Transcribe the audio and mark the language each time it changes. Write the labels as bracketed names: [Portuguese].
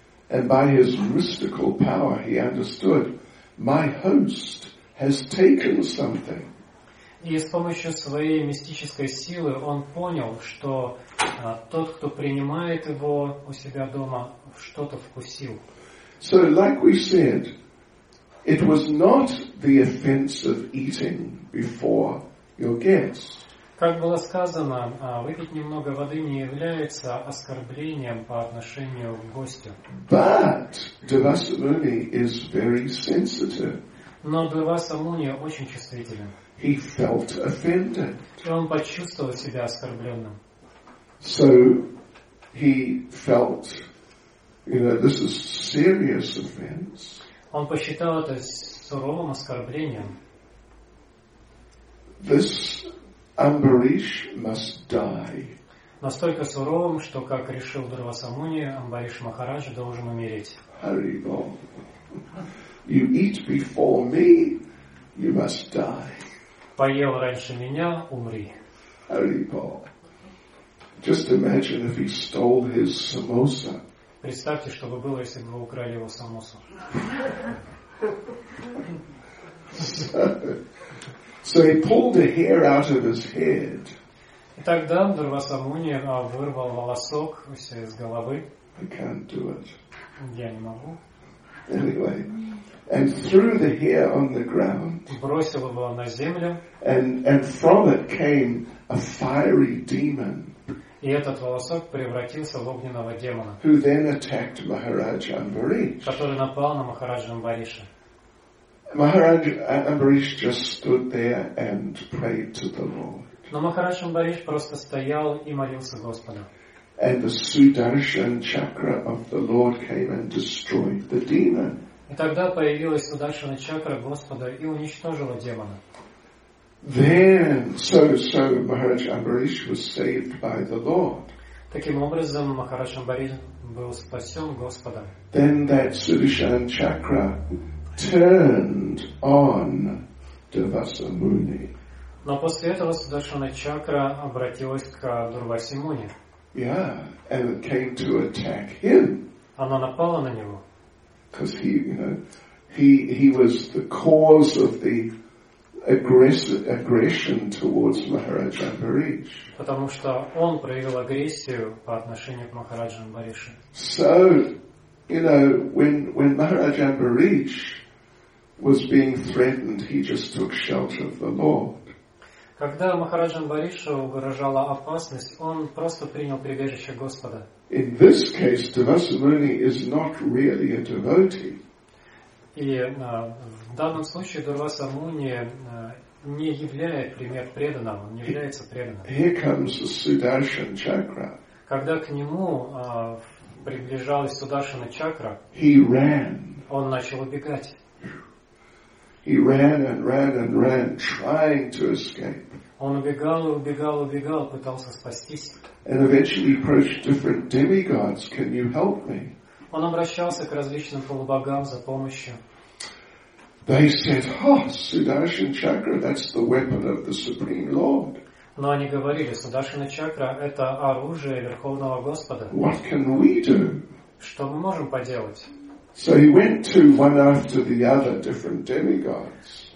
[English] And by his mystical power, he understood, my host has taken something. [Russian] И с помощью своей мистической силы он понял, что тот, кто принимает его у себя дома, что-то вкусил. [English] So, like we said, it was not the offense of eating before your guests. [Russian] Как было сказано, выпить немного воды не является оскорблением по отношению к гостю. [English] But Дарасамуни is very sensitive. [Russian] Но Дарасамуни очень чувствителен. [English] He felt offended. [Russian] И он почувствовал себя оскорбленным. [English] So he felt, you know, this is serious offense. [Russian] Он посчитал это суровым оскорблением. [English] This Ambarish must die. [Russian] Настолько суровым, что, как решил Дарасамуни, Амбариш Махарадж должен умереть. [English] Hurry, Bob. You eat before me, you must die. [Russian] Поел раньше меня, умри. [English] Hurry, Bob. Just imagine if he stole his samosa. [Russian] Представьте, что бы было, если бы вы украли его самосу. [English] So he pulled a hair out of his head. [Russian] И тогда Дурваса Муни вырвал волосок у себя из головы. [English] I can't do it. [Russian] Я не могу. [English] Anyway, and threw the hair on the ground. [Russian] Бросил его на землю. [English] And from it came a fiery demon. [Russian] И этот волосок превратился в огненного демона. [English] Who then attacked Maharaja Ambarish. [Russian] Который напал на Махараджа Амбариша. [English] Maharaja Ambarish just stood there and prayed to the Lord. [Russian] Но Махарадж Амбариш просто стоял и молился Господу. [English] And the Sudarshan chakra of the Lord came and destroyed the demon. [Russian] И тогда появилась Сударшана чакра Господа и уничтожила демона. [English] Then, so Maharaj Ambarish was saved by the Lord. [Russian] Таким образом, Махарадж Амбариш был спасен Господом. [English] Then that Sudarshan chakra turned on Durvasa Muni. [Russian] Но после этого Сударшана чакра обратилась к Дурвасе Муни. [English] Yeah, and it came to attack him. [Russian] Она напала на него. [English] Because he was the cause of the aggression towards Maharaj Ambarish. [Russian] Потому что он проявил агрессию по отношению к Махараджу Амбаришу. [English] So, when Maharaj Ambarish was being threatened, he just took shelter of the Lord. [Russian] Когда Махараджа Амбариша угрожала опасность, он просто принял прибежище Господа. [English] In this case, Durvasa Muni is not really a devotee. [Russian] И в данном случае Дурваса Муни не является пример преданного, не является преданным. [English] Here comes the Sudarshan chakra. [Russian] Когда к нему приближалась Сударшана чакра, [English] he ran. [Russian] Он начал убегать. [English] He ran and ran and ran, trying to escape. [Russian] Он убегал и убегал и убегал, пытался спастись. [English] And eventually approached different demigods. Can you help me? [Russian] Он обращался к различным полубогам за помощью. [English] They said, Sudarshan chakra, that's the weapon of the Supreme Lord. [Russian] Но они говорили, Сударшана чакра — это оружие Верховного Господа. [English] What can we do? [Russian] Что мы можем поделать? [English] So he went to one after the other different demigods.